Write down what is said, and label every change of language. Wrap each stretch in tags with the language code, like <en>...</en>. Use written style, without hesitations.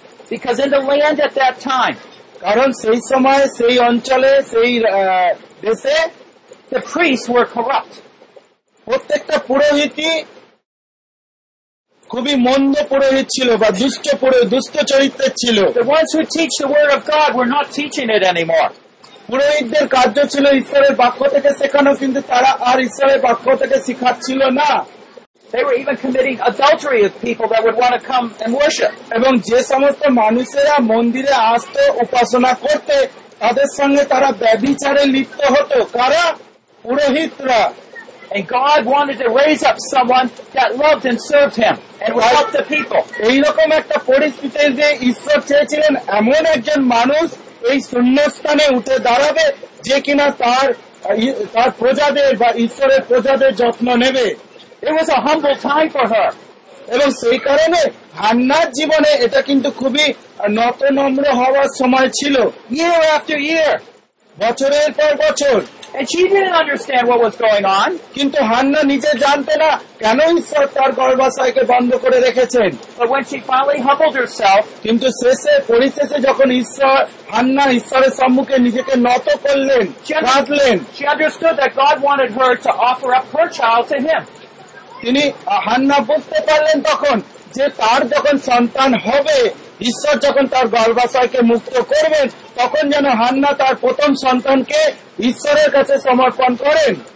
<en>Because in the land at that time,</en> <bn>কারণ সেই সময় সেই অঞ্চলে সেই দেশে</bn> <en>the priests were corrupt.</en> <bn>প্রত্যেকটা পুরোহিত খুবই মন্দ পুরোহিত ছিল বা দুষ্ট পুরোহিত, দুষ্ট চরিত্রের ছিল.</bn> <en>The ones who teach the word of God were not teaching it anymore.</en> <bn>পুরোহিতদের কার্য ছিল ঈশ্বরের বাক্য থেকে শেখানো, কিন্তু তারা আর ঈশ্বরের বাক্য থেকে শিখাচ্ছিল না.</bn> <en>They were even committing adultery with people that would want to come and worship.</en> <bn>এবং যে সমস্ত মানুষেরা মন্দিরে আসতো উপাসনা করতে তাদের সঙ্গে তারা ব্যভিচারে লিপ্ত হতো, কারা? পুরোহিতরা.</bn> <en>And God wanted to raise up someone that loved and served him and would help the people.</en> <bn>এই রকম একটা পরিস্থিতি যে ঈশ্বর চেয়েছিলেন এমন একজন মানুষ এই শূন্যস্থানে উঠে দাঁড়াবে যে কিনা তার তার প্রজাদের বা ঈশ্বরের প্রজাদের যত্ন নেবে.</bn> <en>It was a humble time for her.</en> <bn>এবং সেই কারণে হান্নার জীবনে এটা কিন্তু খুবই নতনম্র হওয়ার সময় ছিল.</bn> <en>Year after year,</en> <bn>বছরের পর বছর.</bn> <en>And she didn't understand what was going on.</en> <bn>কিন্তু হান্না নিজে জানতে না কেন ঈশ্বর তার গর্ভাশয়কে বন্ধ করে রেখেছেন.</bn> <en>But when she finally humbled herself,</en> <bn>কিন্তু শেষে পরিশেষে যখন ঈশ্বর হান্না ঈশ্বরের সম্মুখে নিজেকে নত করলেন, রাখলেন,</bn> <en>she understood that God wanted her to offer up her child to him.</en> <bn>তিনি হান্না বুঝতে পারলেন তখন যে তার যখন সন্তান হবে, ঈশ্বর যখন তার গর্ভাশয়কে মুক্ত করবেন, তখন যেন হান্না তার প্রথম সন্তানকে ঈশ্বরের কাছে সমর্পণ করেন.</bn>